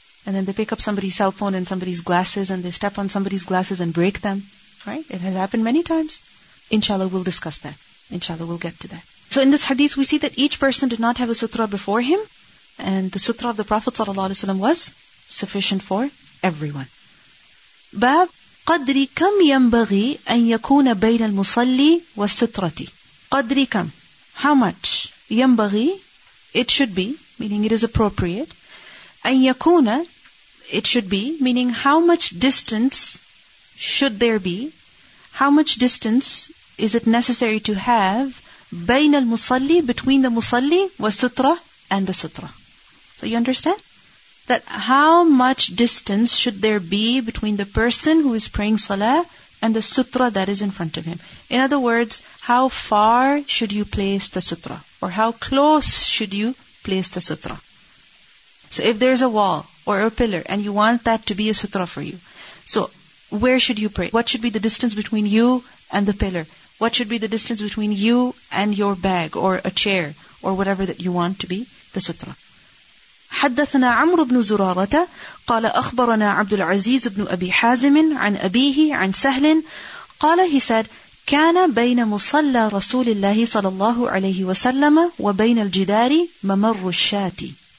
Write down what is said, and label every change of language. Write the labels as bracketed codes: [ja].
[en] And then they pick up somebody's cell phone and somebody's glasses, and they step on somebody's glasses and break them. Right? It has happened many times. Inshallah, we'll discuss that. Inshallah, we'll get to that. So in this hadith, we see that each person did not have a sutra before him, and the sutra of the Prophet ﷺ was sufficient for everyone. [ar] باب قدر كم ينبغي أن يكون بين المصلي والسترة. قدر كم, [en] how much, [ar] ينبغي, [en] it should be, meaning it is appropriate, [ar] أن يكون, [en] it should be, meaning how much distance should there be, how much distance is it necessary to have [ar] بين المصلي, [en] between the musalli wa sutra and the sutra. So you understand? That how much distance should there be between the person who is praying salah and the sutra that is in front of him. In other words, how far should you place the sutra? Or how close should you place the sutra? So if there's a wall or a pillar and you want that to be a sutra for you, so where should you pray? What should be the distance between you and the pillar? What should be the distance between you and your bag or a chair or whatever that you want to be the sutra? [ar] حدثنا عمرو بن زرارة قال أخبرنا عبد العزيز بن أبي حازم عن أبيه عن سهل قال [en] he said [ar] كان بين مصلى رسول الله صلى الله عليه وسلم وبين الجدار ممر الشاة.